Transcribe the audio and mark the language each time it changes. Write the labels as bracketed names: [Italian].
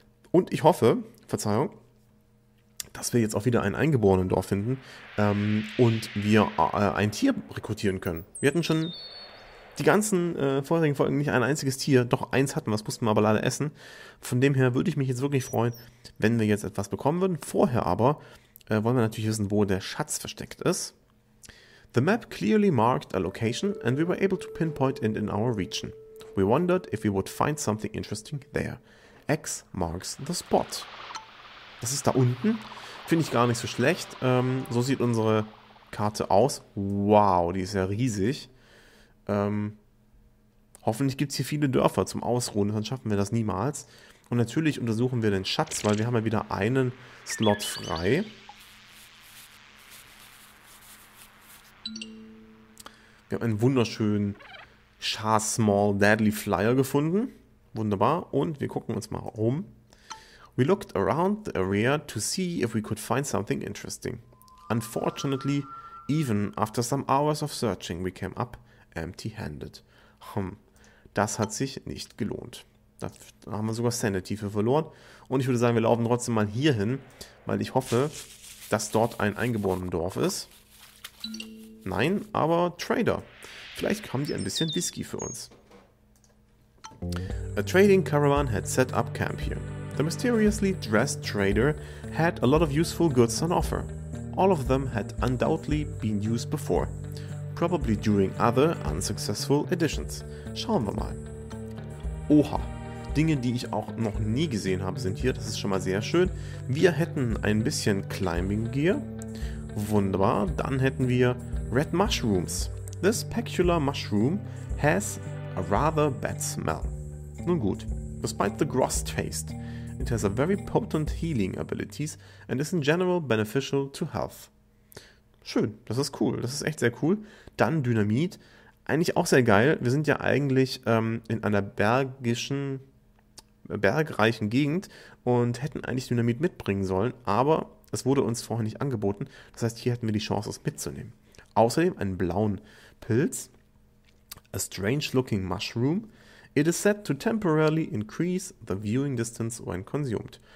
[German] Und ich hoffe, Verzeihung, dass wir jetzt auch wieder einen eingeborenen Dorf finden und wir ein Tier rekrutieren können. Wir hatten schon die ganzen vorherigen Folgen nicht ein einziges Tier, doch eins hatten wir, das mussten wir aber leider essen. Von dem her würde ich mich jetzt wirklich freuen, wenn wir jetzt etwas bekommen würden. Vorher aber wollen wir natürlich wissen, wo der Schatz versteckt ist. [English] The map clearly marked a location and we were able to pinpoint it in our region. We wondered if we would find something interesting there. X marks the spot. [German] Das ist da unten. Finde ich gar nicht so schlecht. So sieht unsere Karte aus. Wow, die ist ja riesig. Hoffentlich gibt es hier viele Dörfer zum Ausruhen, sonst schaffen wir das niemals. Und natürlich untersuchen wir den Schatz, weil wir haben ja wieder einen Slot frei. Wir haben einen wunderschönen Char Small Deadly Flyer gefunden. Wunderbar. Und wir gucken uns mal um. [English] We looked around the area to see if we could find something interesting. Unfortunately, even after some hours of searching, we came up empty-handed. [German] Das hat sich nicht gelohnt. Da haben wir sogar Sanity für verloren. Und ich würde sagen, wir laufen trotzdem mal hier hin, weil ich hoffe, dass dort ein eingeborenes Dorf ist. Nein, aber Trader. Vielleicht haben die ein bisschen Whisky für uns. [English] A trading caravan had set up camp here. The mysteriously dressed trader had a lot of useful goods on offer. All of them had undoubtedly been used before. Probably during other unsuccessful editions. [German] Schauen wir mal. Oha, Dinge, die ich auch noch nie gesehen habe, sind hier. Das ist schon mal sehr schön. Wir hätten ein bisschen Climbing Gear. Wunderbar. Dann hätten wir Red Mushrooms. [English] This peculiar mushroom has a rather bad smell. [German] Nun gut. [English] Despite the gross taste, it has a very potent healing abilities and is in general beneficial to health. [German] Schön, das ist cool. Das ist echt sehr cool. Dann Dynamit. Eigentlich auch sehr geil. Wir sind ja eigentlich in einer bergreichen Gegend und hätten eigentlich Dynamit mitbringen sollen, aber es wurde uns vorher nicht angeboten. Das heißt, hier hätten wir die Chance, es mitzunehmen. Außerdem einen blauen Pilz. [English] A strange looking mushroom. It is said to temporarily increase the viewing distance when consumed.